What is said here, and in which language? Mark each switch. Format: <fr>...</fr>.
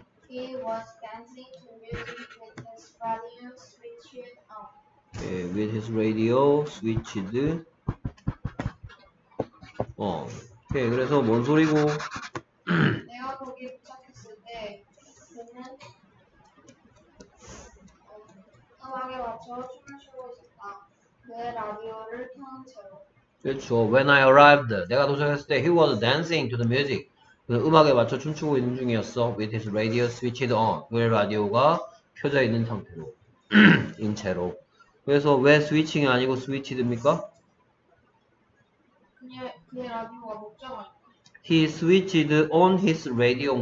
<en>He was dancing to music with his radio switched on. Okay, with his radio switched.</en> <ko>오케이. 그래서 뭔 소리고? 내가 거기 도착했을 때 그는 음악에 맞춰 춤을 추고 있었다. 내 라디오를 켠 채로. 그렇죠.</ko> <en>When I arrived,</en> <ko>내가 도착했을 때</ko> <en>he was dancing to the music.</en> <ko>음악에 맞춰 춤추고 있는 중이었어.</ko> <en>With his radio switched on.</en> <ko>그의 라디오가 켜져 있는 상태로. 인체로. 그래서 왜 스위칭이 아니고 스위치드입니까? 그의 라디오가 목적 아닌가?</ko> <en>He switched on his radio.</en>